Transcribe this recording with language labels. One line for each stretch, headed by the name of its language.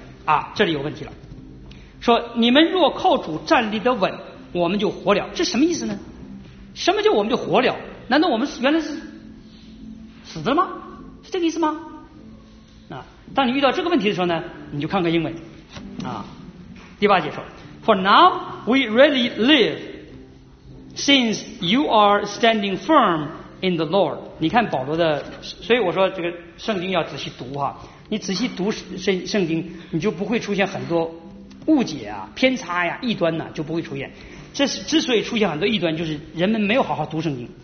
Chinese: 啊，这里有问题了，说你们若靠主站立得稳，我们就活了。这什么意思呢？什么叫我们就活了？难道我们原来是死的吗？是这个意思吗？啊，当你遇到这个问题的时候呢，你就看看英文啊。第八节说
English: For now we really live since you are standing firm in the Lord。
Chinese: 你看保罗的，所以我说这个圣经要仔细读哈，你仔细读圣经，你就不会出现很多误解啊、偏差呀、异端呢、啊，就不会出现。这是之所以出现很多异端，就是人们没有好好读圣经。